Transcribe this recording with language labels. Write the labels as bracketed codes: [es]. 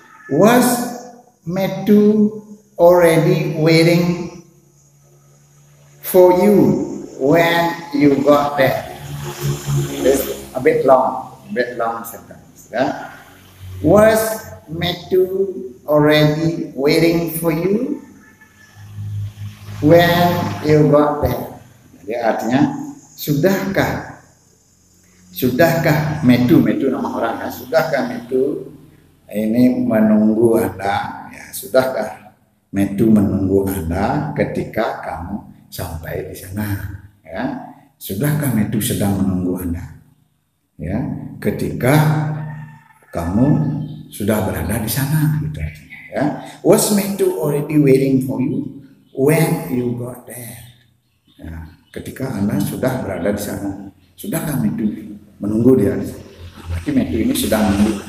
[en] Was Metu already waiting for you when you got there? It's a bit long sentence. Yeah. Was Metu already waiting for you when you got there? [id] Jadi artinya sudahkah Metu nama orang, ya, sudahkah Metu ini menunggu Anda, ya, sudahkah Metu menunggu Anda ketika kamu sampai di sana, ya, sudahkah Metu sedang menunggu Anda, ya, ketika kamu sudah berada di sana, gitu artinya, ya. [en] Was Metu already waiting for you when you got there? [id] Ya, ketika Anda sudah berada di sana, sudahkah Metu menunggu dia? Berarti Metu ini sedang menunggu.